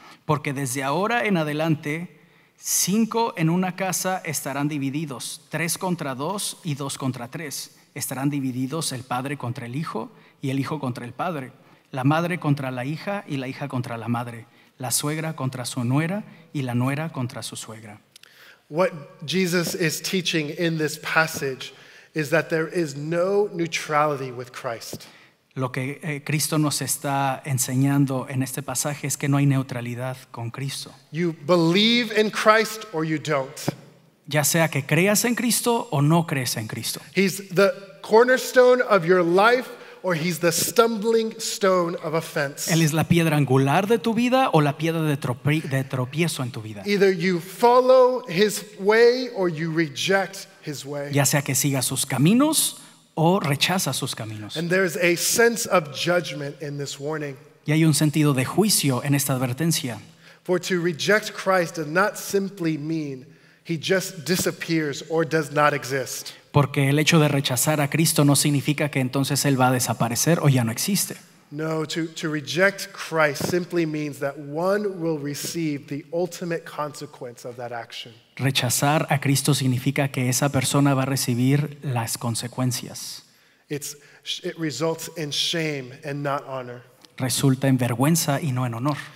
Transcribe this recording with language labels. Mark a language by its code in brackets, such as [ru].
[es] Porque desde ahora en adelante, cinco en una casa estarán divididos, tres contra dos y dos contra tres. Estarán divididos el padre contra el hijo y el hijo contra el padre, la madre contra la hija y la hija contra la madre, la suegra contra su nuera y la nuera contra su suegra. [en] What Jesus is teaching in this passage is that there is no neutrality with Christ. [es] Lo que Cristo nos está enseñando en este pasaje es que no hay neutralidad con Cristo. [en] You believe in Christ or you don't. [es] Ya sea que creas en Cristo o no crees en Cristo. [en] He's the cornerstone of your life or he's the stumbling stone of offense. [es] Él es la piedra angular de tu vida o la piedra de tropiezo en tu vida. [en] Either you follow his way or you reject his way. [es] Ya sea que sigas sus caminos o rechaza sus caminos. [en] And there's a sense of judgment in this warning. [es] Y hay un sentido de juicio en esta advertencia. [en] For to reject Christ does not simply mean he just disappears or does not exist. [es] Porque el hecho de rechazar a Cristo no significa que entonces él va a desaparecer o ya no existe. [en] No, to reject Christ simply means that one will receive the ultimate consequence of that action. [es] Rechazar a Cristo significa que esa persona va a recibir las consecuencias. [en] It results in shame and not honor. [es] Resulta en vergüenza y no en honor.